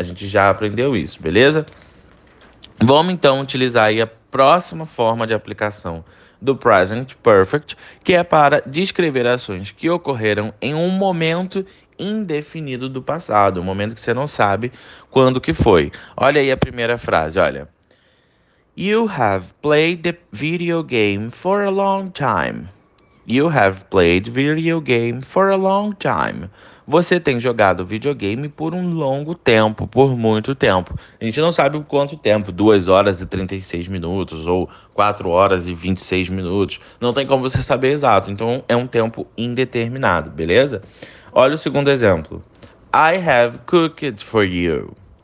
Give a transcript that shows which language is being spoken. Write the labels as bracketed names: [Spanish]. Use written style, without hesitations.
[Portuguese] A gente já aprendeu isso, beleza? Vamos então utilizar aí a próxima forma de aplicação do present perfect, que é para descrever ações que ocorreram em um momento indefinido do passado, um momento que você não sabe quando que foi. Olha aí a primeira frase, olha. [English] You have played the video game for a long time. You have played video game for a long time. [Portuguese] Você tem jogado videogame por um longo tempo, por muito tempo. A gente não sabe o quanto tempo, 2 horas e 36 minutos ou 4 horas e 26 minutos. Não tem como você saber exato, então é um tempo indeterminado, beleza? Olha o segundo exemplo. [English] I have cooked for you.